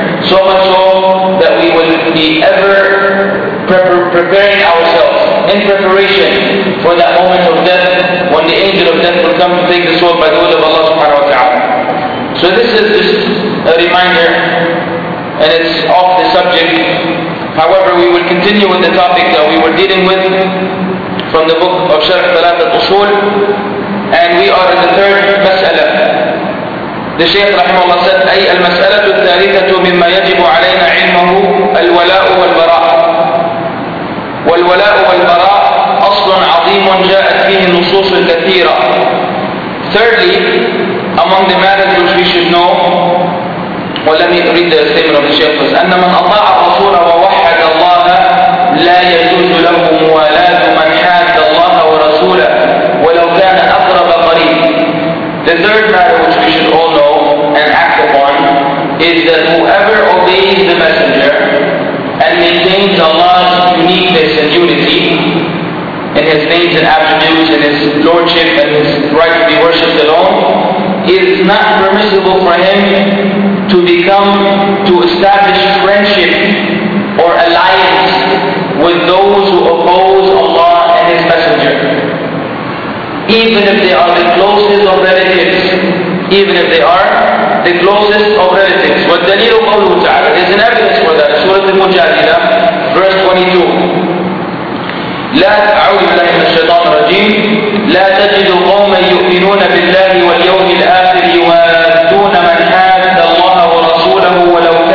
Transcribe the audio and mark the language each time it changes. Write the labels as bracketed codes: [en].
[en] So much so that we will be ever preparing ourselves in preparation for that moment of death when the angel of death will come to take the soul by the will of Allah subhanahu wa ta'ala. So this is just a reminder, and it's off the subject. However, we will continue with the topic that we were dealing with from the book of Sharh Thalath al-Usul. And we are in the third mas'ala. The Shaykh rahimahullah said, [ar] أي المسألة الثالثة مما يجب علينا علمه الولاء والبراء. والولاء والبراء أصل عظيم جاءت فيه النصوص الكثيرة. [en] Thirdly, among the matters which we should know, well, let me read the statement of the Shaykh. [ar] أن من أطاع الرسول ووحد الله لا يجوز له موالاة من حاد الله ورسوله ولو كان أقرب قريب. [en] The third matter which we should all know and act upon is that whoever obeys the Messenger and maintains Allah's uniqueness and unity in His names and attributes and His lordship and His right to be worshipped alone, it is not permissible for him to become, to establish friendship or alliance with those who oppose Allah and His Messenger. Even if they are the closest of relatives. Even if they are the closest of relatives. But [ar] Dalil Qawluhu Ta'ala [en] is an evidence for that. Surah Al-Mujadila, verse 22. [ar] لا تعوذ بالله من الشيطان الرجيم لا تجد قوما يؤمنون بالله واليوم الآخر يوادون من حاد الله ورسوله ولو